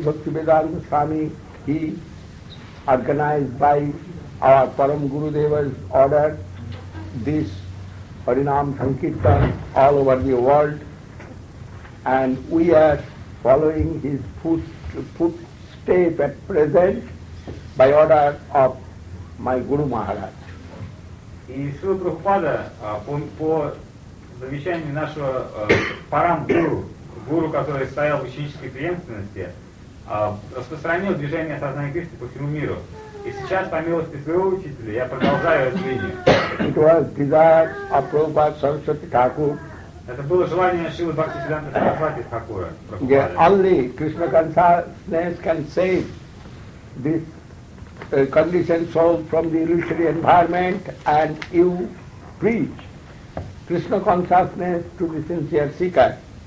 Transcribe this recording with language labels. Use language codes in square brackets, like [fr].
[en] Bhaktivedanta Swami, he organized by our Param Gurudeva's order this Harinam Sankirtan all over the world, and we are following his footstep at present by order of my Guru Maharaj. [ru] И Шрила Прабхупада по завещанию нашего Парам Гуру, который стоял в ученической преемственности, распространил движение сознания Кришны по всему миру. И сейчас, по милости своего учителя, я продолжаю развитие. [en] It was desire of Prabhupada Saraswati Thakur. [ru] Это было желание Шрилы Бхактисиддханты Сарасвати Тхакура. [en] Yeah, only Krishna consciousness can save this conditioned soul from the illusory environment, and you preach Krishna consciousness to the sincere seeker.